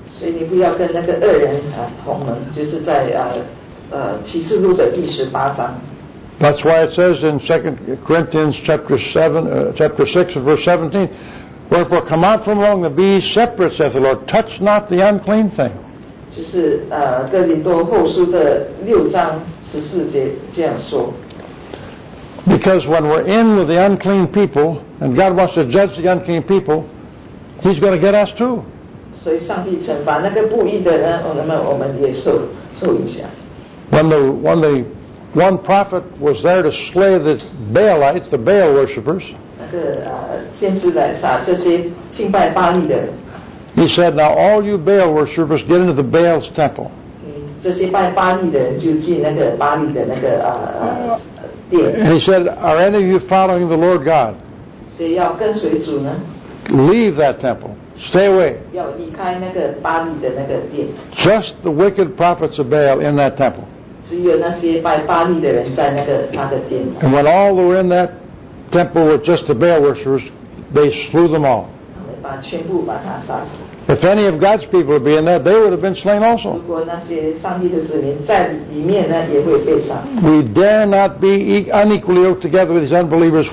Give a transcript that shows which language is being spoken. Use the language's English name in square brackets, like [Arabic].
[English] That's why it says in 2 Corinthians chapter 6 and verse 17, wherefore come out from among the beasts, separate, saith the Lord, touch not the unclean thing. [Chinese] 就是哥林多后书的六章十四节这样说。 [English] Because when we're in with the unclean people, and God wants to judge the unclean people, He's going to get us too. [Chinese] 所以上帝惩罚那个不义的人，那么我们也受影响。 [English] When the one prophet was there to slay the Baalites, the Baal worshippers, [Chinese] 那个先知来杀这些敬拜巴利的人。 [English] He said, "Now all you Baal worshippers, get into the Baal's temple." [Chinese] 这些拜巴利的人就进那个巴利的那个 [English] And he said, are any of you following the Lord God? [Chinese] 谁要跟随主呢? [English] Leave that temple. Stay away. [Chinese] 要离开那个巴利的那个殿。 [English] Just the wicked prophets of Baal in that temple. [Chinese] 只有那些拜巴利的人在那个他的殿。 [English] And when all who were in that temple were just the Baal worshippers, they slew them all. [Chinese] 全部把他杀死。 [English] If any of God's people would be in there, they would have been slain also. We dare not be unequally yoked together with these unbelievers.